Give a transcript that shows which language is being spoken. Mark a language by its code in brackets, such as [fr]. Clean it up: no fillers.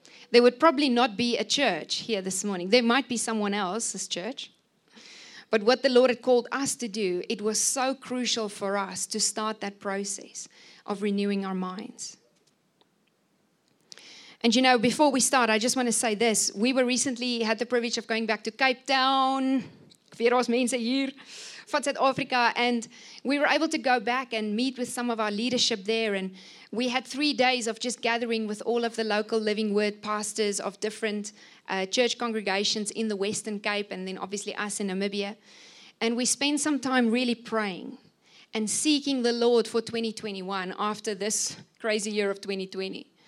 [en] There would probably not be a church here this morning. There might be someone else's church. But what the Lord had called us to do, it was so crucial for us to start that process of renewing our minds. And you know, before we start, I just want to say this. We were recently had the privilege of going back to Cape Town. [af] Vir ons mense hier van Suid-Afrika. [en] And we were able to go back and meet with some of our leadership there. And we had 3 days of just gathering with all of the local Living Word pastors of different church congregations in the Western Cape and then obviously us in Namibia. And we spent some time really praying and seeking the Lord for 2021 after this crazy year of 2020.